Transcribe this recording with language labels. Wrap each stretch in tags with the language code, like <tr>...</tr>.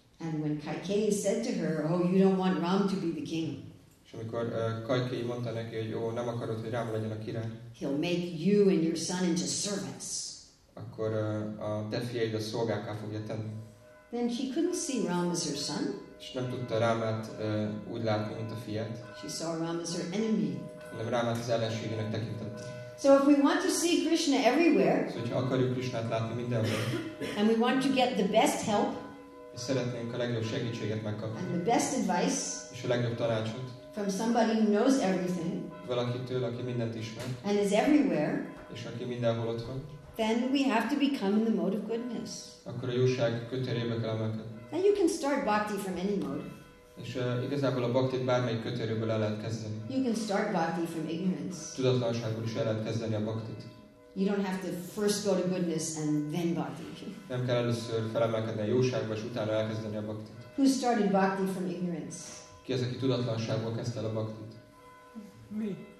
<en>And when Kaikeyi said to her, oh, you don't want Ram to be the king.</en> <hu>És amikor Kaikeyi mondta neki, hogy jó, nem akarod, hogy Ráma legyen a király.</hu> <en>He'll make you and your son into servants.</en> <hu>Akkor a te fiaid a szolgákká fogja tenni.</hu> <en>Then she couldn't see Ram as her son.</en> <hu>És nem tudta Rámát úgy látni, mint a fiát.</hu> <en>She saw Ram as her enemy.</en> <hu>Hanem Rámát az ellenségének tekintette.</hu> <en>So if we want to see Krishna everywhere.</en> <hu>Szóval, hogyha akarjuk Krishnát látni mindenhol.</hu> <en>And we want to get the best help.</en> <hu>És szeretnénk a legjobb segítséget megkapni.</hu> <en>And the best advice.</en> <hu>És a legjobb tanácsot.</hu> <en>From somebody who knows everything.</en> <hu>Valakitől, aki mindent ismer.</hu> <en>And is everywhere.</en> <hu>És aki mindenhol ott van.</hu> <en>Then we have to become in the mode of goodness.</en> <hu>Akkor a jóság kötőjébe kell emelkedni.</hu> <en>Then you can start bhakti from any mode.</en> <hu>És igazából a bhaktit bármelyik kötőjéből el lehet kezdeni.</hu> <en>You can start bhakti from ignorance.</en> <hu>Tudatlanságból is el lehet kezdeni a bhaktit.</hu> <en>You don't have to first go to goodness and then bhakti.</en> <hu>Nem kell először felemelkedni a jóságba, és utána elkezdeni a bhaktit.</hu> <en>Who started bhakti from ignorance?</en> <hu>Ki az, aki tudatlanságból kezdte el a baktit? Mi.</hu>